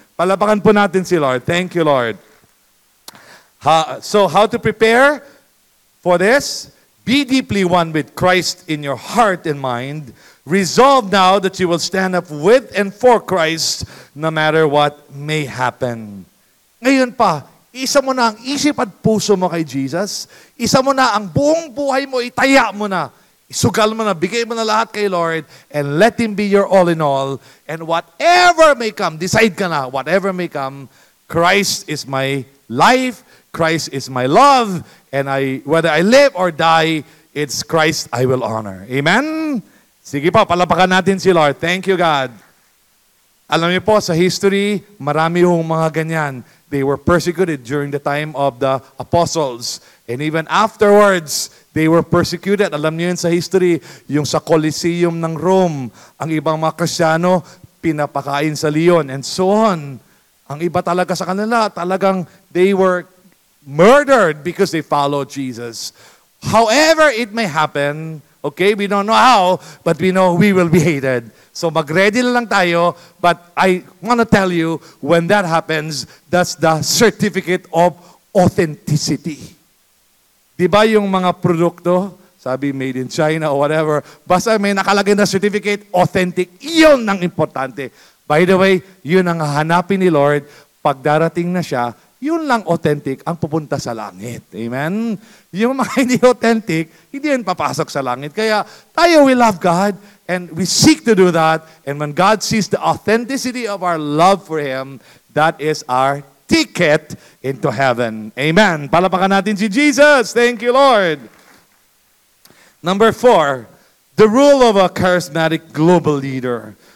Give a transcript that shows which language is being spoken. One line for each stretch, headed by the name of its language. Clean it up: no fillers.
Filipino: Palapakan po natin si Lord.
English: Thank you, Lord. So how to prepare for this? Be deeply one with Christ in your heart and mind. Resolve now that you will stand up with and for Christ no matter what may happen.
Filipino: Ngayon pa, isa mo na ang isip at puso mo kay Jesus. Isa mo na ang buong buhay mo, itaya mo na. Isugal mo na, bigay mo na lahat kay Lord.
English: And let Him be your all in all. And whatever may come,
Filipino: decide ka na,
English: whatever may come, Christ is my life, Christ is my love, and I, whether I live or die, it's Christ I will honor.
Filipino: Amen? Sige pa, palapakan natin si Lord.
English: Thank you, God.
Filipino: Alam niyo po, sa history, marami yung mga ganyan.
English: They were persecuted during the time of the apostles. And even afterwards, they were persecuted.
Filipino: Alam niyo yun sa history, yung sa Coliseum ng Rome, ang ibang mga Kristiyano, pinapakain sa leon, and so on. Ang iba talaga sa kanila, talagang
English: they were murdered because they followed Jesus. However it may happen, okay, we don't know how, but we know we will be hated. So
Filipino: mag-ready na lang tayo,
English: but I want to tell you, when that happens, that's the certificate of authenticity.
Filipino: Diba yung mga produkto, sabi made in China or whatever, basta may nakalagay na certificate, authentic, yun ang importante.
English: By the way,
Filipino: yun ang hahanapin ni Lord, pagdarating na siya, yun lang authentic ang pupunta sa langit. Amen? Yung mga hindi authentic, hindi yan papasok sa langit. Kaya tayo,
English: we love God, and we seek to do that. And when God sees the authenticity of our love for Him, that is our ticket into heaven. Amen.
Filipino: Palapakan natin si Jesus.
English: Thank you, Lord. Number 4, the rule of a charismatic global leader